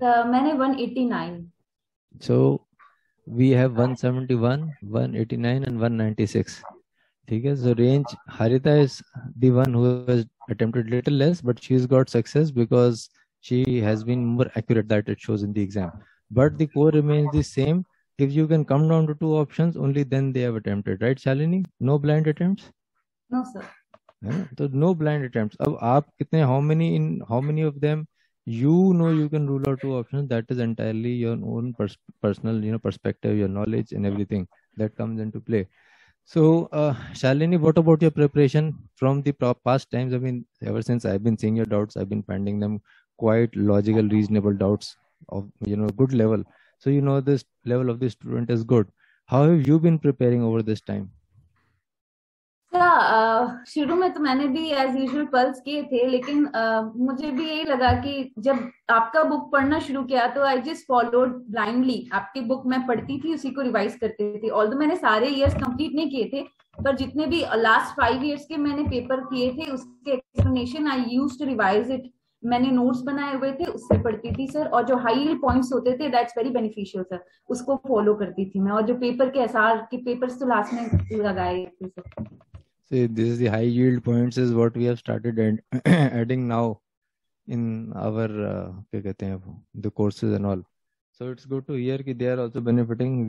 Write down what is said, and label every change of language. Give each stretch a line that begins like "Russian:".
Hindi: मैंने 189.
English: So we have 171, 189 and 196.
Hindi: ठीक है.
English: So range Harita is the one who has attempted little less, but she has got success because she has been more accurate, that it shows in the exam. But the core remains the same. If you can come down to two options, only then they have attempted. Right, Shalini? No blind attempts? No, sir. Yeah? So no blind attempts. How many of them you know you can rule out two options? That is entirely your own personal, you know, perspective, your knowledge and everything that comes into play. So, Shalini, what about your preparation from the past times? I mean, ever since I've been seeing your doubts, I've been finding them quite logical, reasonable doubts. Of you know good level, so you know this level of the student is good. How have you been preparing over this time?
Hindi: शुरू में तो मैंने भी as usual pulse किए थे, लेकिन मुझे भी यही लगा कि जब आपका book पढ़ना शुरू किया तो
English: I just followed blindly.
Hindi: आपकी book मैं पढ़ती थी, उसी को revise करती थी. Although मैंने सारे years complete नहीं किए थे, पर जितने भी last 5 years के मैंने paper किए थे उसके explanation
English: I used to revise it.
Hindi: मैंने नोट्स बनाए हुए थे उससे पढ़ती थी सर. और जो हाई यील्ड पॉइंट्स होते थे
English: that's very beneficial
Hindi: सर, उसको फॉलो करती थी मैं. और जो पेपर के एसआर के पेपर्स तो लास्ट में लगाए थे sir.
English: See, this is the high yield points is what we have started and adding now in our the courses and all. So it's good to hear that they are also benefiting.